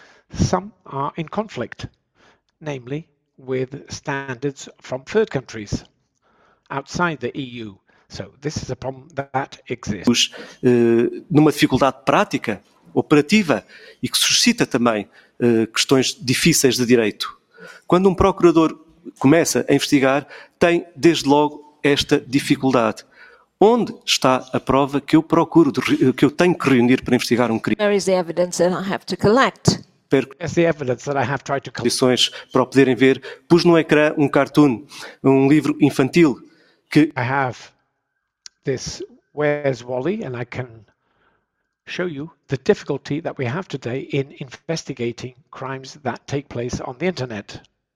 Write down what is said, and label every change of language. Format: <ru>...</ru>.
<en>Some are in conflict, namely with standards from third countries outside the EU. So this is a problem that exists.</en> <pt>Numa dificuldade prática, operativa, e que suscita também questões difíceis de direito. Quando procurador começa a investigar, tem desde logo esta dificuldade. Onde está a prova que eu procuro, que eu tenho que reunir para investigar crime?</pt> <en>Where is the evidence that I have to collect? Where's the evidence that I have tried to collect?</en> <pt>Condições para poderem ver. Pus no ecrã cartoon, livro infantil. Que...</pt> <en>I have this Where's Wally, and I can show you the difficulty that we have today in investigating crimes that take place on the internet.</en>